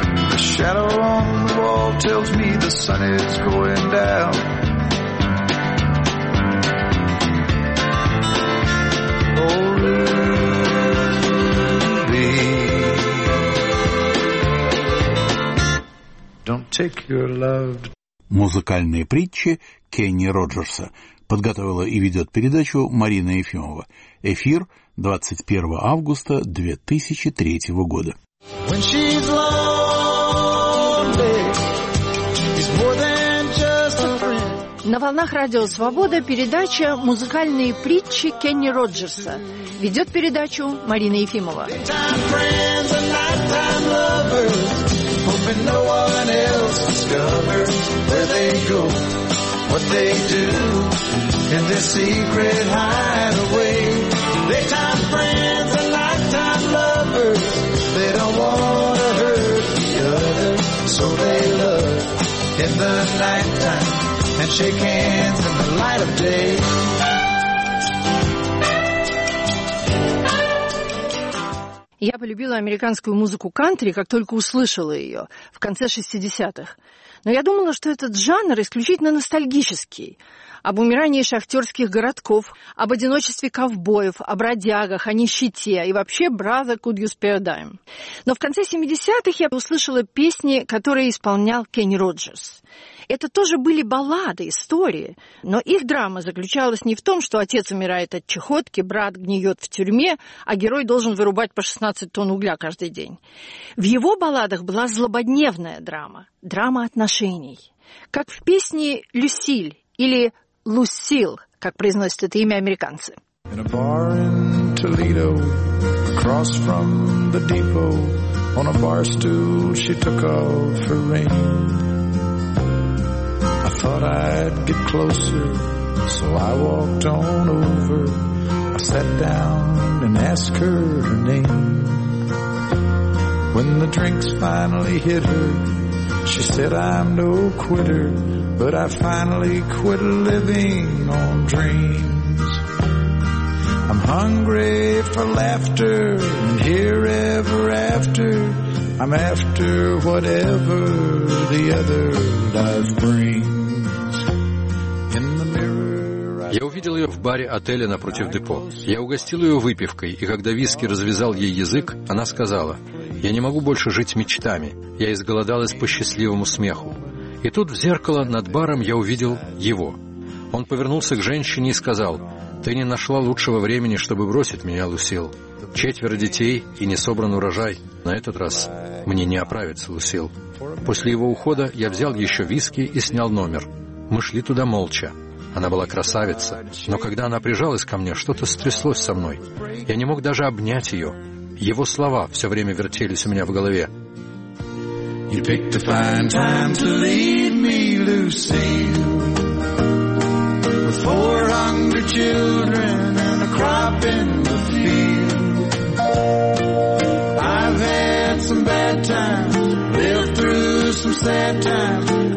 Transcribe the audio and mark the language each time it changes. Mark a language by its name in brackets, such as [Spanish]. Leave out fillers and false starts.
[English] The shadow on the wall tells me the sun is going down. Oh, Ruby, don't take your love. [Russian] Музыкальные притчи Кенни Роджерса. Подготовила и ведет передачу Марина Ефимова. Эфир 21 августа 2003 года. [English] When she's lonely, it's more than just a friend. [Russian] На волнах Радио Свобода передача «Музыкальные притчи» Кенни Роджерса. Ведет передачу Марина Ефимова. [English] What they do in this secret hideaway. Daytime friends and nighttime lovers. They don't want to hurt the other, so they love in the nighttime and shake hands in the light of day. [Russian] Я полюбила американскую музыку кантри, как только услышала ее, в конце 60-х. Но я думала, что этот жанр исключительно ностальгический. Об умирании шахтерских городков, об одиночестве ковбоев, о бродягах, о нищете и вообще [English] «Brother, could you spare dime?». [Russian] Но в конце 70-х я услышала песни, которые исполнял Кенни Роджерс. Это тоже были баллады, истории, но их драма заключалась не в том, что отец умирает от чахотки, брат гниет в тюрьме, а герой должен вырубать по 16 тонн угля каждый день. В его балладах была злободневная драма, драма отношений. Как в песне «Люсиль» или «Лусил», как произносят это имя американцы. [English] In a bar in Toledo, across from the depot, on a bar stool she took off her ring. Thought I'd get closer, so I walked on over. I sat down and asked her her name. When the drinks finally hit her, she said, I'm no quitter, but I finally quit living on dreams. I'm hungry for laughter, and here ever after, I'm after whatever the other life brings. [Russian] Я увидел ее в баре отеля напротив депо. Я угостил ее выпивкой, и когда виски развязал ей язык, она сказала: «Я не могу больше жить мечтами. Я изголодалась по счастливому смеху». И тут в зеркало над баром я увидел его. Он повернулся к женщине и сказал: «Ты не нашла лучшего времени, чтобы бросить меня, Лусил. Четверо детей и не собран урожай. На этот раз мне не оправиться, Лусил». После его ухода я взял еще виски и снял номер. Мы шли туда молча. Она была красавица, но когда она прижалась ко мне, что-то стряслось со мной. Я не мог даже обнять ее. Его слова все время вертелись у меня в голове. [English] You picked a fine time to leave me, Lucille. With 400 children and a crop in the field. I've had some bad times, lived through some sad times.